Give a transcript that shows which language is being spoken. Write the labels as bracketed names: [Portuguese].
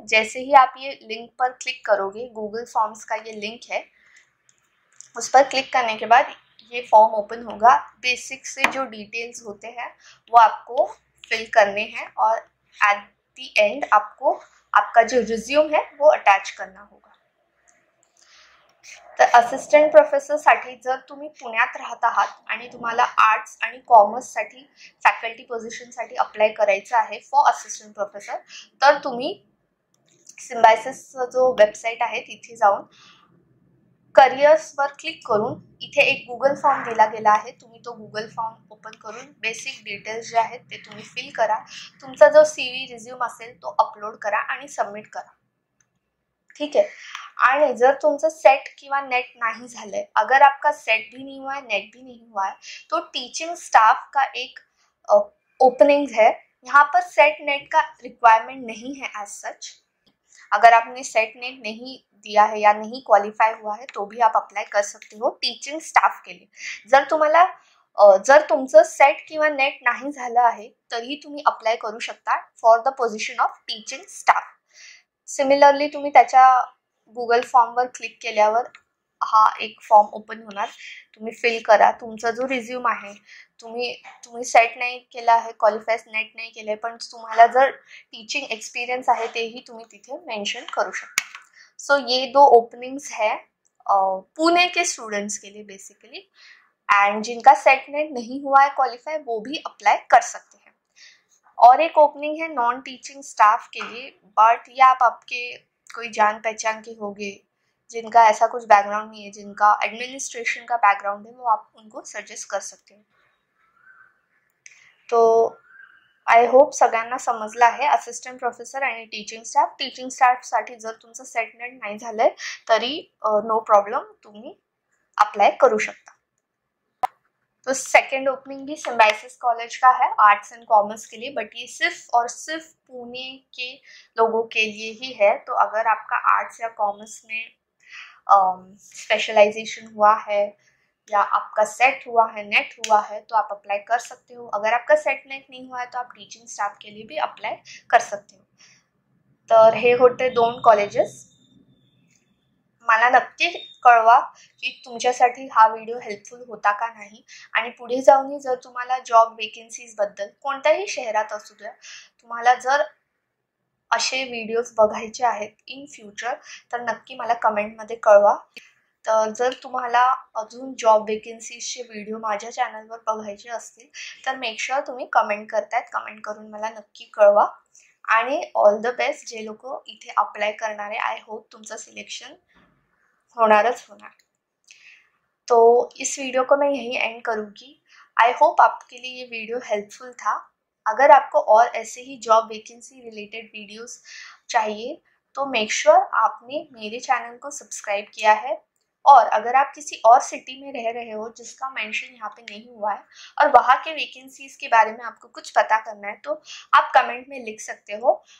[Hindi] जैसे ही आप ये लिंक पर क्लिक करोगे, गूगल फॉर्म्स का ये लिंक है, उस पर क्लिक करने के बाद ये फॉर्म ओपन होगा। बेसिक से जो डिटेल्स होते हैं वो आपको फिल करने हैं और [English] at the end [Hindi] आपको आपका जो रिज्यूम है वो अटैच करना होगा। [Marathi] तर असिस्टंट प्रोफेसरसाठी जर तुम्ही पुण्यात राहत आहात आणि तुम्हाला आर्ट्स आणि कॉमर्ससाठी फॅकल्टी पोझिशनसाठी अप्लाय करायचं आहे [English] for assistant professor, [Marathi] तर तुम्ही सिम्बायसिसचं जो वेबसाईट आहे तिथे जाऊन करिअर्सवर क्लिक करून इथे एक गुगल फॉर्म दिला गेला आहे, तुम्ही तो गुगल फॉर्म ओपन करून बेसिक डिटेल्स जे आहेत ते तुम्ही फिल करा, तुमचा जो CV रिझ्यूम असेल तो अपलोड करा आणि सबमिट करा, ठीक आहे। आणि जर तुमचं सेट किंवा नेट नाही झालंय, [Hindi] अगर आपका सेट भी नहीं हुआ है, नेट भी नहीं हुआ है, तो टीचिंग स्टाफ का एक ओपनिंग है। यहाँ पर सेट नेट का रिक्वायरमेंट नहीं है [English] As such. [Hindi] अगर आपने सेट नेट नहीं दिया है या नहीं क्वालिफाई हुआ है तो भी आप अप्लाई कर सकते हो टीचिंग स्टाफ के लिए। [Marathi] जर तुम्हाला जर तुमचं सेट किंवा नेट नाही झालं आहे तरीही तुम्ही अप्लाय करू शकता [English] For the position of teaching staff. [Marathi] Similarly तुम्ही त्याच्या गुगल फॉर्मवर क्लिक केल्यावर हा एक फॉर्म ओपन होणार. तुम्ही फिल करा तुमचा जो रिझ्यूम आहे. तुम्ही तुम्ही सेट नाही केला आहे, क्वालिफाईज नेट नाही केलं आहे, पण तुम्हाला जर टीचिंग एक्सपिरियन्स आहे तेही तुम्ही तिथे मेन्शन करू शकता. [Hindi] सो ये दो ओपनिंग्स है पुणे के स्टूडेंट्स के लिए बेसिकली. एंड जिनका सेट नेट नहीं हुआ है क्वालिफाई, वो भी अप्लाई कर सकते हैं. और एक ओपनिंग है नॉन टीचिंग स्टाफ के लिए, बट ये आप आपके कोई जान पहचान के होंगे जिनका ऐसा कुछ बैकग्राउंड नहीं है, जिनका एडमिनिस्ट्रेशन का बैकग्राउंड है, वो आप उनको सजेस्ट कर सकते हो. [Marathi] तो [English] I hope [Marathi] सगळ्यांना समजला आहे असिस्टंट प्रोफेसर आणि टीचिंग स्टाफ. टीचिंग स्टाफसाठी जर तुमचं सेट नेट नाही झालंय तरी नो प्रॉब्लम, तुम्ही अप्लाय करू शकता. [Hindi] तो सेकेंड ओपनिंग भी सिम्बायसिस कॉलेज का है आर्ट्स एंड कॉमर्स के लिए, बट ये सिर्फ और सिर्फ पुणे के लोगों के लिए ही है. तो अगर आपका आर्ट्स या कॉमर्स में स्पेशलाइजेशन हुआ है या आपका सेट हुआ है, नेट हुआ है, तो आप अप्लाई कर सकते हो. अगर आपका सेट नेट नहीं हुआ है तो आप टीचिंग स्टाफ के लिए भी अप्लाई कर सकते हो. [Marathi] तर हे होते दोन कॉलेजेस. मला नक्की कळवा की तुमच्यासाठी हा व्हिडिओ हेल्पफुल होता का नाही. आणि पुढे जाऊनही जर तुम्हाला जॉब वेकेन्सीजबद्दल कोणत्याही शहरात असू द्या, तुम्हाला जर असे व्हिडिओज बघायचे आहेत [English] in future, [Marathi] तर नक्की मला कमेंटमध्ये कळवा. तर जर तुम्हाला अजून जॉब वेकेन्सीजचे व्हिडिओ माझ्या चॅनलवर बघायचे असतील तर [English] make sure [Marathi] तुम्ही कमेंट करतायत, कमेंट करून मला नक्की कळवा. आणि [English] all the best [Marathi] जे लोक इथे अप्लाय करणार आहे, [English] I hope [Marathi] तुमचं सिलेक्शन होणारच होणार. [Hindi] तो इस वीडियो को मैं यही एंड करूँगी. [English] I hope [Hindi] आपके लिए ये वीडियो हेल्पफुल था. अगर आपको और ऐसे ही जॉब वेकेंसी रिलेटेड वीडियोस चाहिए तो [English] make sure [Hindi] आपने मेरे चैनल को सब्सक्राइब किया है. और अगर आप किसी और सिटी में रह रहे हो जिसका मेंशन यहाँ पे नहीं हुआ है और वहाँ के वेकेंसीज के बारे में आपको कुछ पता करना है, तो आप कमेंट में लिख सकते हो.